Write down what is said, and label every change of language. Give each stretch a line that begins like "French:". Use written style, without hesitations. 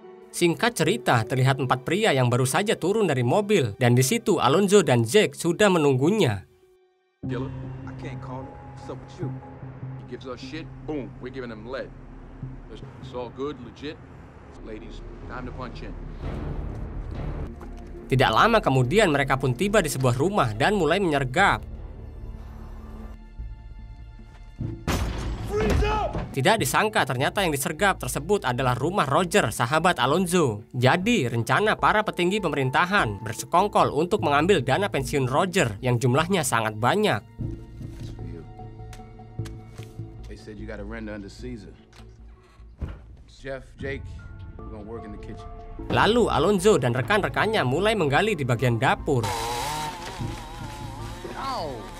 Indonesian: Singkat cerita, terlihat empat pria yang baru saja turun dari mobil, dan di situ Alonzo dan Jake sudah menunggunya.
English: Dylan, I can't call him. What's up with you? Gives us shit, boom, we're giving them lead. It's all good, legit. Ladies, time to punch in.
Indonesian: Tidak lama kemudian mereka pun tiba di sebuah rumah dan mulai menyergap. Tidak disangka ternyata yang disergap tersebut adalah rumah Roger, sahabat Alonzo. Jadi, rencana para petinggi pemerintahan bersekongkol untuk mengambil dana pensiun Roger yang jumlahnya sangat banyak.
English: You got to render under Caesar. Jeff, Jake, we're gonna work in the kitchen.
Indonesian: Lalu Alonzo dan rekan-rekannya mulai menggali di bagian dapur. Ow.